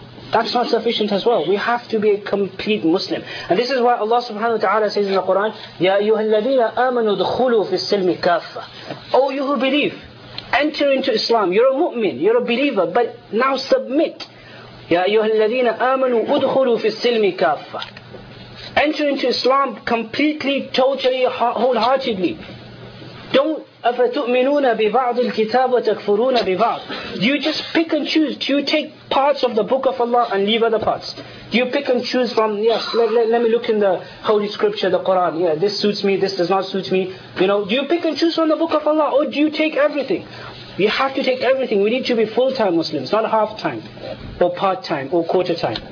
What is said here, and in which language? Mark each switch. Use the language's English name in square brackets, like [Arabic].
[English] That's not sufficient as well. We have to be a complete Muslim. And this is why Allah subhanahu wa ta'ala says in the Quran, [Arabic] يَا أَيُّهَا الَّذِينَ آمَنُوا دُخُلُوا فِي السِّلْمِ كَافَّةً. [English] Oh, you who believe, enter into Islam. You're a mu'min, you're a believer, but now submit. [Arabic] يَا أَيُّهَا الَّذِينَ آمَنُوا دُخُلُوا فِي السِّلْمِ كَافَّةً. [English] Enter into Islam completely, totally, wholeheartedly. Don't [Arabic] أَفَتُؤْمِنُونَ بِبَعْضِ الْكِتَابِ وَتَكْفُرُونَ بِبَعْضِ. [English] Do you just pick and choose? Do you take parts of the Book of Allah and leave other parts? Do you pick and choose from, yes, let me look in the Holy Scripture, the Quran. Yeah, this suits me, this does not suit me. You know, do you pick and choose from the Book of Allah or do you take everything? We have to take everything. We need to be full-time Muslims, not half-time or part-time or quarter-time.